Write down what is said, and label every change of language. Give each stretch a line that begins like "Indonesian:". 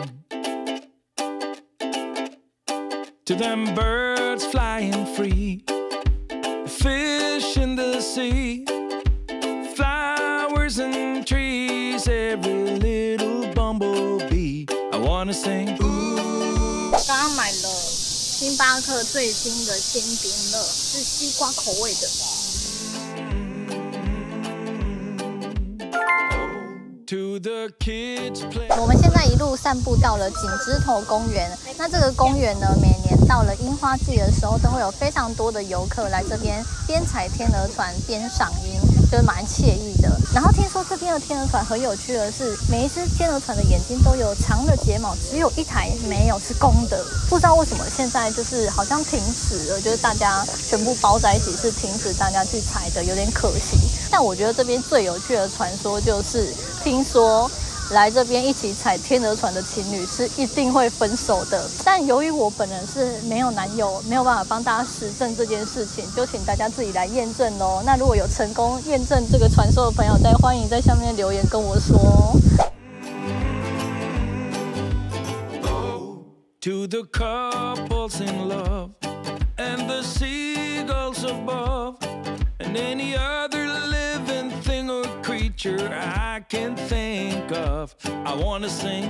English: To them birds flying free, fish in the sea, flowers and trees, every little bumblebee. I wanna sing. Ooh, I'm my love.
Chinese: 星巴克最新的鲜冰乐是西瓜口味的。我们现在一路散步到了井之头公园，那这个公园呢，每年到了樱花季的时候都会有非常多的游客来这边边踩天鹅船边赏樱，就蛮惬意的。然后听说这边的天鹅船很有趣的是，每一只天鹅船的眼睛都有长的睫毛，只有一台没有，是公的。不知道为什么现在就是好像停止了，就是大家全部包在一起是停止大家去踩的，有点可惜。但我觉得这边最有趣的传说就是，听说来这边一起踩天鹅船的情侣是一定会分手的。但由于我本人是没有男友，没有办法帮大家实证这件事情，就请大家自己来验证咯。那如果有成功验证这个传说的朋友，再欢迎在下面留言跟我说。
English: To the couples in love and the seagulls above and any other living thing or creature I can think of, I wanna sing.